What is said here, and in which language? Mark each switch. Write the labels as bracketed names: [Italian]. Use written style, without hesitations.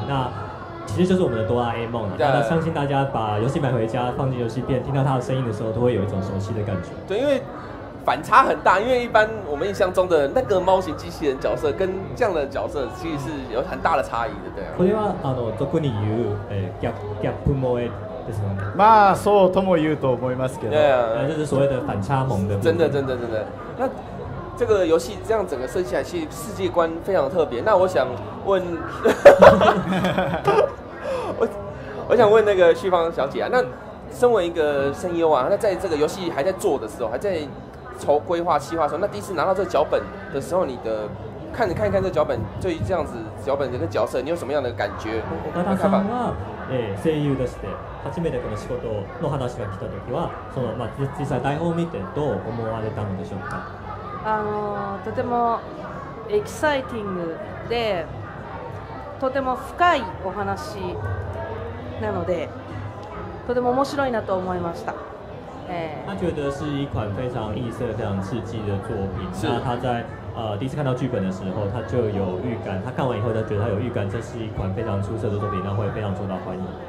[Chinese] 那其实就是我们的哆啦 A 梦了。那相信大家把游戏买回家，放进游戏片，听到他的声音的时候，都会有一种熟悉的感觉。对，因为反差很大，因为一般我们印象中的那个猫型机器人角色，跟这样的角色其实是有很大的差异的，对啊。 [Japanese] これはあの特に言う、ギャップ萌え。まあそうとも言うと思いますけど、 [Chinese] 那就是所谓的反差萌的。真的，真的，真的。那这个游戏这样整个设计起来，其实世界观非常特别。那我想问，我想问那个旭芳小姐啊，那身为一个声优啊，那在这个游戏还在做的时候，还在筹规划企划的时候，那第一次拿到这个脚本的时候，你的看一看这脚本，对于这样子脚本的那个角色，你有什么样的感觉？我看法。 [Japanese] 声優として初めてこの仕事の話が来た時は、そのまあ実際台本を見てどう思われたのでしょうか。とてもエキサイティングで、とても深いお話なので、とても面白いなと思いました。 [Chinese] 他觉得是一款非常异色、非常刺激的作品。那他在第一次看到剧本的时候，他就有预感。他看完以后，他觉得他有预感，这是一款非常出色的作品，那会非常受到欢迎。